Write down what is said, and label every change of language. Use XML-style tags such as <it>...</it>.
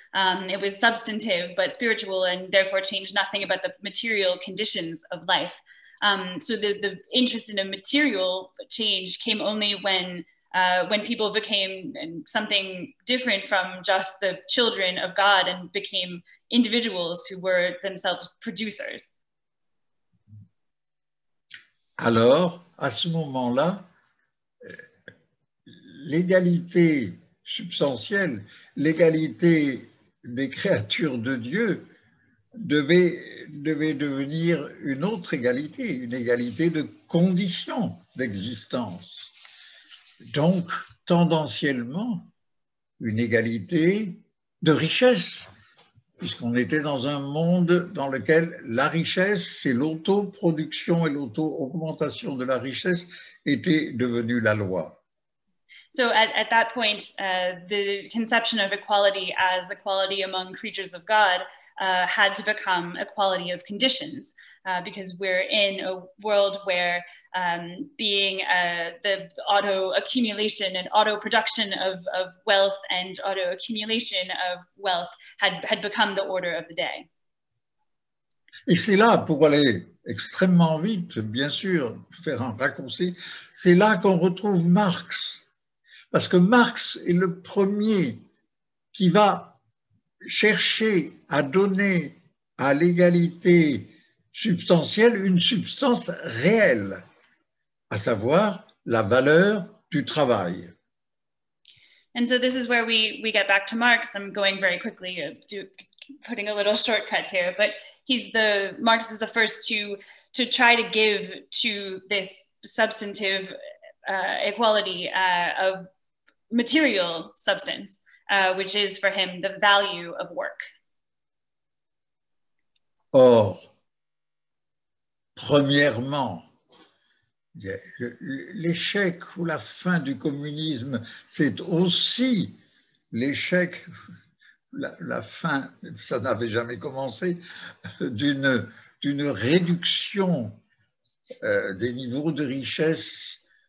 <en>It was substantive, but spiritual, and therefore changed nothing about the material conditions of life. So the interest in a material change came only when people became something different from just the children of God and became individuals who were themselves producers.</en> <fr>Alors, à ce moment-là, l'égalité substantielle, l'égalité des créatures de Dieu devait devenir une autre égalité, une égalité de conditions d'existence. Donc, tendanciellement, une égalité de richesse, puisqu'on était dans un monde dans lequel la richesse, c'est l'auto-production et l'auto-augmentation de la richesse, était devenue la loi.</fr> <en>So at that point, the conception of equality as equality among creatures of God had to become equality of conditions, because we're in a world where being the auto-accumulation and auto-production of wealth and auto-accumulation of wealth had become the order of the day.</en> <fr>Et c'est là, pour aller extrêmement vite, bien sûr, faire un raccourci, c'est là qu'on retrouve Marx. Parce que Marx est le premier qui va chercher à donner à l'égalité substantielle une substance réelle, à savoir la valeur du travail.</fr> <en>And so this is where we get back to Marx. I'm going very quickly, putting a little shortcut here, but Marx is the first to try to give to this substantive equality of material substance, which is for him the value of work.</en> <fr>Or, premièrement, l'échec ou la fin du communisme, c'est aussi l'échec, la fin, ça n'avait jamais commencé, d'une réduction des niveaux de richesse</fr>